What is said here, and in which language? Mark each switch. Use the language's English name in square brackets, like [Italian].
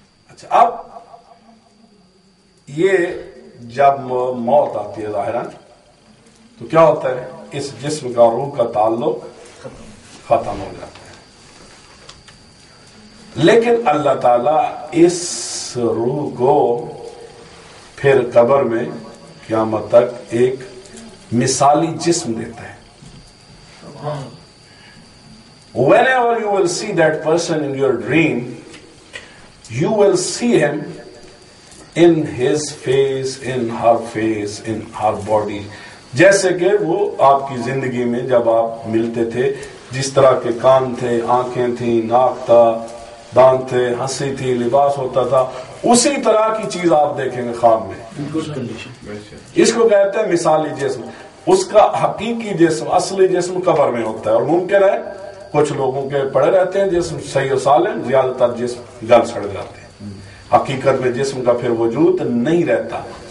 [Urdu] اچھا اب یہ جب موت آتی ہے ظاہراً تو کیا ہوتا ہے, اس جسم کا روح کا تعلق ختم ہو جاتا ہے. لیکن اللہ تعالی اس روح کو پھر قبر میں قیامت تک ایک مثالی جسم دیتا ہے. [English] Whenever you will see that person in your dream, you will see him in his face, in her face, in her body. [Urdu] جیسے کہ وہ آپ کی زندگی میں جب آپ ملتے تھے, جس طرح کے کان تھے, آنکھیں تھیں, ناک تھا, دانت تھے, ہنسی تھی, لباس ہوتا تھا, اسی طرح کی چیز آپ دیکھیں گے خواب میں. اس کو کہتے ہیں مثالی جسم. اس کا حقیقی جسم, اصلی جسم قبر میں ہوتا ہے. اور ممکن ہے کچھ لوگوں کے پڑے رہتے ہیں جسم صحیح و سالم, زیادہ تر جسم گل سڑ جاتے ہیں, حقیقت میں جسم کا پھر وجود نہیں رہتا.